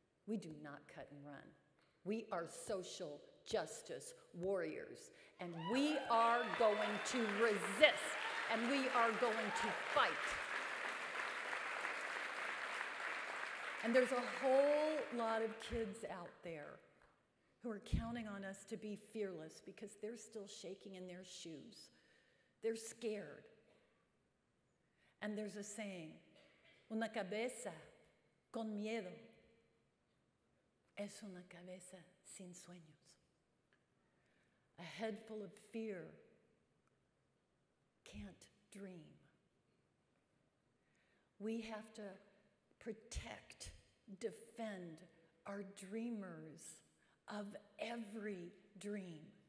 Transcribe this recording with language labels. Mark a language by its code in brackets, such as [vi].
[en] We do not cut and run. We are social justice warriors, and we are going to resist, and we are going to fight. And there's a whole lot of kids out there who are counting on us to be fearless because they're still shaking in their shoes. They're scared. And there's a saying, [es] una cabeza con miedo es una cabeza sin sueños. [en] A head full of fear can't dream. We have to protect, defend our dreamers of every dream.